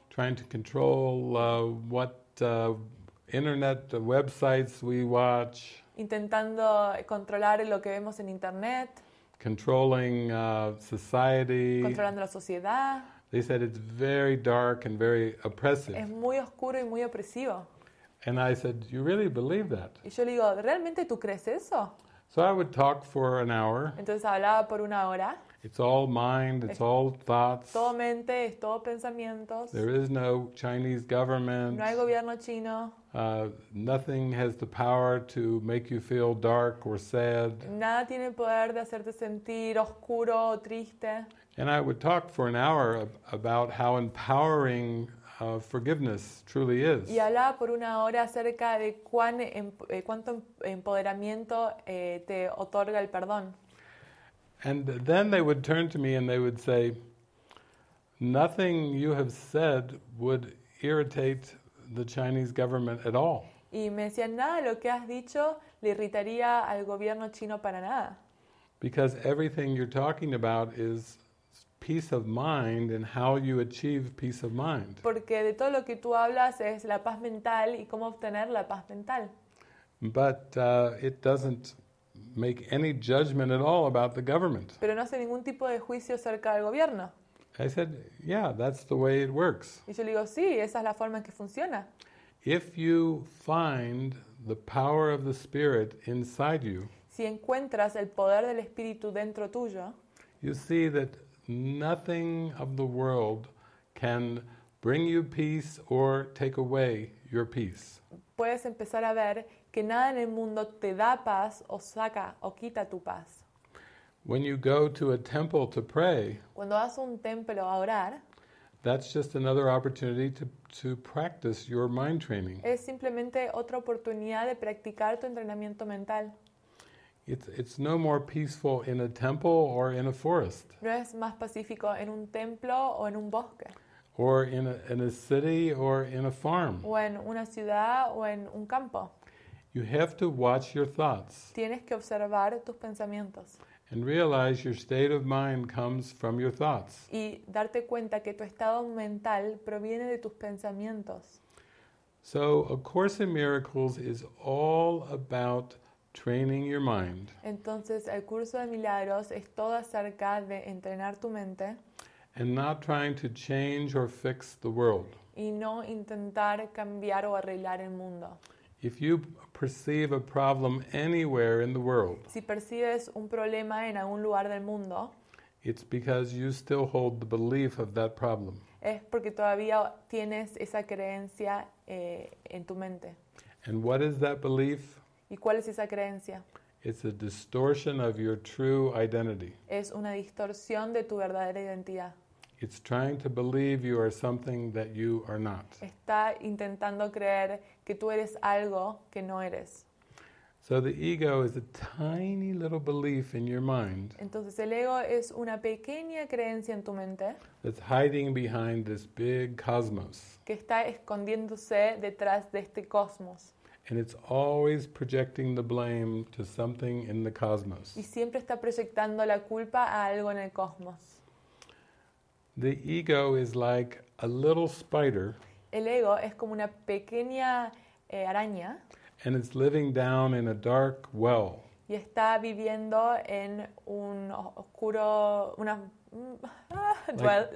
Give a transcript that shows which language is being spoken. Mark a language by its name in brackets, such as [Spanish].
[English] Trying to control what internet websites we watch. [Spanish] Intentando controlar lo que vemos en internet. [English] Controlling society. [Spanish] Controlando la sociedad. [English] They said it's very dark and very oppressive. [Spanish] Es muy oscuro y muy opresivo. [English] And I said, you really believe that? [Spanish] Y yo le digo, ¿realmente tú crees eso? [English] So I would talk for an hour. [Spanish] Entonces hablaba por una hora. [English] It's all mind, it's all thoughts. [Spanish] Todo mente, es todo pensamientos. [English] There is no Chinese government. [Spanish] No hay gobierno chino. [English] Nothing has the power to make you feel dark or sad. [Spanish] Nada tiene poder de hacerte sentir oscuro o triste. [English] And I would talk for an hour about how empowering forgiveness truly is. [Spanish] Y hablaba por una hora acerca de cuánto empoderamiento te otorga el perdón. [English] And then they would turn to me and they would say, nothing you have said would irritate the Chinese government at all. [Spanish] Y me decían, nada, lo que has dicho le irritaría al gobierno chino para nada. [English] Because everything you're talking about is peace of mind and how you achieve peace of mind. [Spanish] Porque de todo lo que tú hablas es la paz mental y cómo obtener la paz mental. [English] But it doesn't make any judgment at all about the government. [Spanish] Pero no hace ningún tipo de juicio acerca del gobierno. [English] I said, yeah, that's the way it works. [Spanish] Y yo le digo, sí, esa es la forma en que funciona. [English] If you find the power of the Spirit inside you, [Spanish] si encuentras el poder del Espíritu dentro tuyo, [English] you see that nothing of the world can bring you peace or take away your peace. [Spanish] Puedes empezar a ver que nada en el mundo te da paz o saca o quita tu paz. [English] When you go to a temple to pray, [Spanish] cuando vas a un templo a orar, [English] that's just another opportunity to practice your mind training. [Spanish] Es simplemente otra oportunidad de practicar tu entrenamiento mental. [English] It's no more peaceful in a temple or in a forest. [Spanish] No es más pacífico en un templo o en un bosque. [English] Or in a city or in a farm. [Spanish] O en una ciudad o en un campo. [English] You have to watch your thoughts. [Spanish] Tienes que observar tus pensamientos. [English] And realize your state of mind comes from your thoughts. [Spanish] Y darte cuenta que tu estado mental proviene de tus pensamientos. [English] So, A Course in Miracles is all about training your mind. [Spanish] Entonces, el curso de milagros es todo acerca de entrenar tu mente. [English] And not trying to change or fix the world. [Spanish] Y no intentar cambiar o arreglar el mundo. [English] If you perceive a problem anywhere in the world, [Spanish] si percibes un problema en algún lugar del mundo, [English] It's because you still hold the belief of that problem. [Spanish] Es porque todavía tienes esa creencia en tu mente. [English] And what is that belief? [Spanish] ¿Y cuál es esa creencia? [English] It's a distortion of your true identity. [Spanish] Es una distorsión de tu verdadera identidad. [English] It's trying to believe you are something that you are not. [Spanish] Está intentando creer que tú eres algo que no eres. [English] So the ego is a tiny little belief in your mind. [Spanish] Entonces el ego es una pequeña creencia en tu mente. [English] That's hiding behind this big cosmos. [Spanish] Que está escondiéndose detrás de este cosmos. [English] And it's always projecting the blame to something in the cosmos. [Spanish] Y siempre está proyectando la culpa a algo en el cosmos. [English] The ego is like a little spider. [Spanish] El ego es como una pequeña araña. [English] And it's living down in a dark well. [Spanish] Y está viviendo en un oscuro, una well.